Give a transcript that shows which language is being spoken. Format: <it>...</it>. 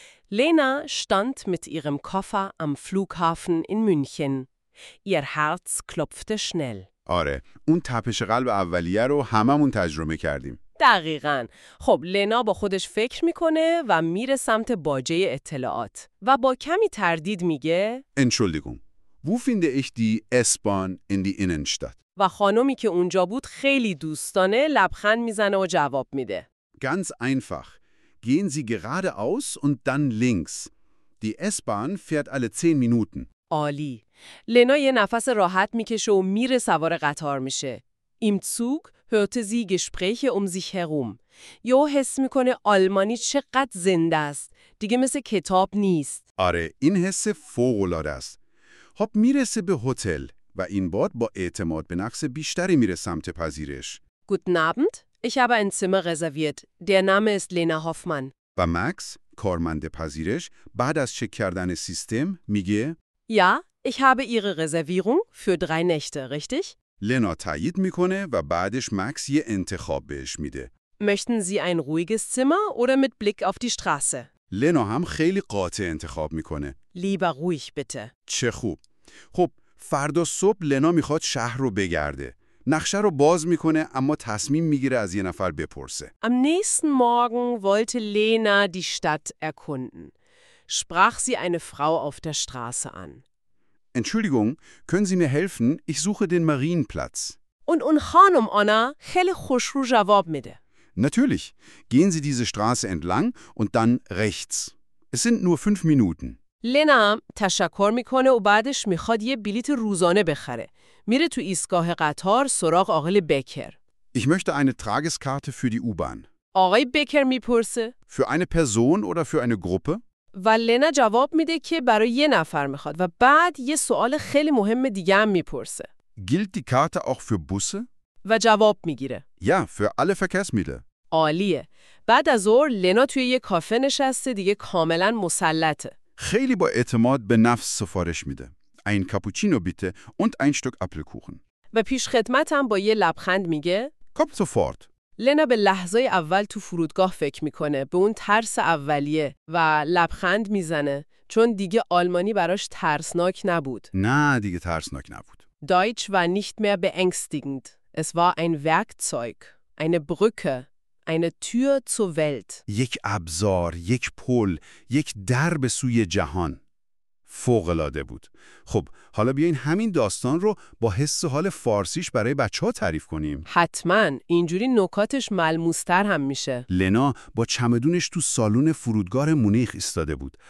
<de>Lena stand mit ihrem Koffer am Flughafen in München. Ihr Herz klopfte schnell.</de> <fa>آره، اون تپش قلب اولیه رو هممون تجربه کردیم. دقیقاً. خب لینا با خودش فکر میکنه و میره سمت باجه اطلاعات و با کمی تردید میگه</fa> <de>Entschuldigung. Wo finde ich die S-Bahn in die Innenstadt?</de> <fa>و خانومی که اونجا بود خیلی دوستانه لبخند میزنه و جواب میده.</fa> <de>Ganz einfach. Gehen Sie geradeaus und dann links. Die S-Bahn fährt alle 10 Minuten.</de> <fa>عالی. لینا یه نفس راحت میکشه و میره سوار قطار میشه.</fa> <de>Im Zug hörte sie Gespräche um sich herum.</de> <fa>یو حس میکنه آلمانی چقدر زنده است. دیگه مثل کتاب نیست. آره، این حس فوق العاده است. خب میرسه به هتل و این بار با اعتماد به نفس بیشتری میره سمت پذیرش.</fa> <de>Guten Abend. Ich habe ein Zimmer reserviert. Der Name ist Lena Hoffmann.</de> <fa>و ماکس، کارمند پذیرش، بعد از چک کردن سیستم میگه</fa> <de>Ja, ich habe Ihre Reservierung für 3 Nächte, richtig?</de> <fa>لینا تایید میکنه و بعدش ماکس یه انتخاب بهش میده.</fa> <de>Möchten Sie ein ruhiges Zimmer oder mit Blick auf die Straße?</de> <fa>لینا هم خیلی قاطع انتخاب میکنه.</fa> <de>Lieber ruhig, bitte.</de> <fa>چه خوب. خب فردا صبح لینا میخواد شهر رو بگرده. نقشه رو باز میکنه اما تصمیم میگیره از یه نفر بپرسه.</fa> <de>Am nächsten Morgen wollte Lena die Stadt erkunden. Sprach sie eine Frau auf der Straße an. Entschuldigung, können Sie mir helfen? Ich suche den Marienplatz. Und</de> <fa>اون خانم آنا خیلی خوش رو جواب میده.</fa> <de>Natürlich. Gehen Sie diese Straße entlang und dann rechts. Es sind nur 5 Minuten.</de> <fa>لینا تشکر میکنه و بعدش میخواد یه بلیت روزانه بخره. میره تو ایستگاه قطار سراغ آقای بکر.</fa> <de>Ich möchte eine Tageskarte für die U-Bahn.</de> <fa>آقای بکر میپرسه.</fa> <de>Für eine Person oder für eine Gruppe?</de> <fa>و لینا جواب میده که برای یه نفر میخواد و بعد یه سوال خیلی مهم دیگه هم میپرسه.</fa> <de>Gilt die Karte auch für Busse?</de> <fa>و جواب میگیره.</fa> <de>Ja, für alle Verkehrsmittel.</de> <fa>عالیه. بعد از اون لینا توی یه کافه نشسته دیگه کاملا مسلطه. خیلی با اعتماد به نفس سفارش میده.</fa> <de>Ein Cappuccino bitte und ein Stück Apfelkuchen.</de> <fa>و پیش خدمت هم با یه لبخند میگه</fa> <de>Kommt sofort.</de> <fa>لینا به لحظه اول تو فرودگاه فکر میکنه، به اون ترس اولیه و لبخند میزنه چون دیگه آلمانی براش ترسناک نبود. نه دیگه ترسناک نبود.</fa> <de>Deutsch war nicht mehr beängstigend. Es war ein Werkzeug, eine Brücke, eine Tür zur Welt.</de> <fa>یک ابزار، یک پل، یک در به سوی جهان. فوق‌العاده بود. خب، حالا بیاین همین داستان رو با حس و حال فارسیش برای بچه‌ها تعریف کنیم. حتماً، اینجوری نکاتش ملموس‌تر هم میشه. لینا با چمدونش تو سالون فرودگاه مونیخ ایستاده بود.</fa>